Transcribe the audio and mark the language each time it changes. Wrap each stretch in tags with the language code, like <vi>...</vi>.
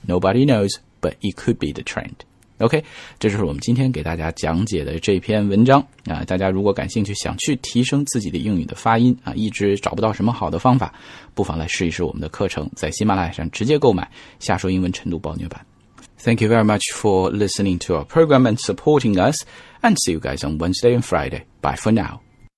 <en>Nobody knows, but it could be the trend.</en> <zh>OK， 这就是我们今天给大家讲解的这篇文章啊。大家如果感兴趣，想去提升自己的英语的发音啊，一直找不到什么好的方法，不妨来试一试我们的课程，在喜马拉雅上直接购买《下说英文晨读暴虐版》。</zh> <en>Thank you very much for listening to our program and supporting us, and see you guys on Wednesday and Friday. Bye for now.</en>